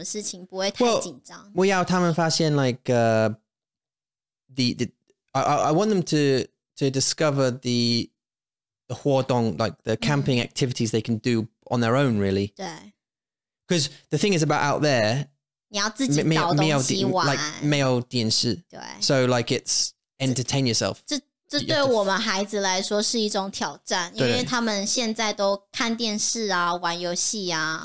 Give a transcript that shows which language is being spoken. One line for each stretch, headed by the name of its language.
Chinese: 对啊，就是你可能需要做更多的工作。对，我们这礼拜应该要给我们的孩子看很多露营的卡通或是露营的影片。哦，所以他们可以，所以他们知道就是发生什么事情不会太紧张。我要他们发现
English: like I want them to discover the 活动, like the camping activities they can do on their own, really.
Chinese: 对，because
English: the thing is about out there.
Chinese: 你要自己找东西玩，没有电视。
English: So like it's entertain yourself.
Chinese: 这对我们孩子来说是一种挑战，因为他们现在都看电视啊，玩游戏啊。